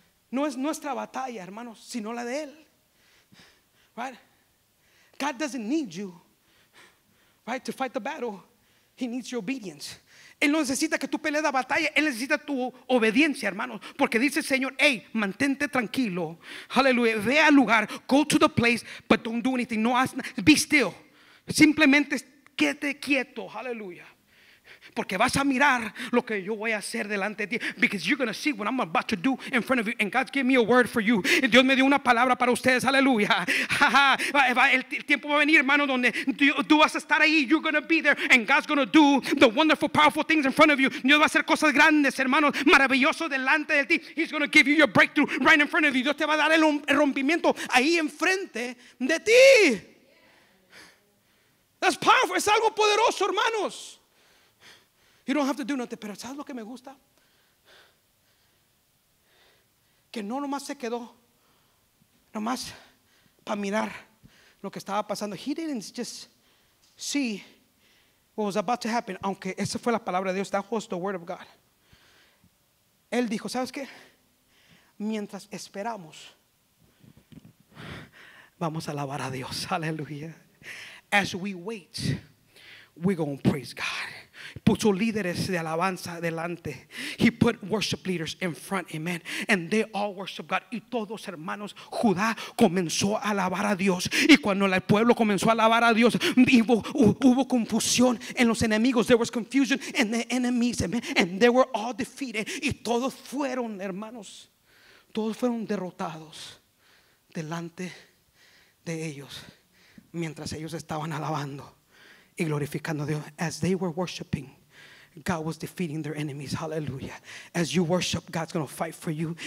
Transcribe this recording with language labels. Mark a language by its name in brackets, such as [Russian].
[Spanish] No es nuestra batalla, hermanos, sino la de él. [English] Right? God doesn't need you, right, to fight the battle. He needs your obedience. [Spanish] Él no necesita que tú pelees la batalla. Él necesita tu obediencia, hermanos. Porque dice el Señor, hey, mantente tranquilo. Hallelujah. Ve al lugar. [English] Go to the place, but don't do anything. [Spanish] No haz nada. [English] Be still. [Spanish] Simplemente quédate quieto. Hallelujah. Porque vas a mirar lo que yo voy a hacer delante de ti. [English] Because you're going to see what I'm about to do in front of you. And God gave me a word for you. [Spanish] Dios me dio una palabra para ustedes. Aleluya. El tiempo va a venir, hermano, donde tú vas a estar ahí. [English] You're going to be there. And God's going to do the wonderful, powerful things in front of you. [Spanish] Dios va a hacer cosas grandes, hermano, maravilloso delante de ti. [English] He's going to give you your breakthrough right in front of you. [Spanish] Dios te va a dar el rompimiento ahí enfrente de ti. [English] That's powerful. [Spanish] Es algo poderoso, hermanos. [English] You don't have to do nothing. [Spanish] Pero ¿sabes lo que me gusta? Que no nomás se quedó nomás para mirar lo que estaba pasando. [English] He didn't just see what was about to happen. [Spanish] Aunque esa fue la palabra de Dios. [English] That was the word of God. [Spanish] Él dijo, ¿sabes qué? Mientras esperamos, vamos a alabar a Dios. Aleluya. [English] As we wait, we're going to praise God. [Spanish] Puso líderes de alabanza delante. [English] He put worship leaders in front, amen. And they all worship God. [Spanish] Y todos hermanos, Judá comenzó a alabar a Dios. Y cuando el pueblo comenzó a alabar a Dios, hubo confusión en los enemigos. [English] There was confusion in the enemies, amen. And they were all defeated. [Spanish] Y todos fueron, hermanos, todos fueron derrotados delante de ellos. Mientras ellos estaban alabando y glorificando a Dios. [English] As they were worshiping, God was defeating their enemies. Hallelujah. As you worship, God's going to fight for you.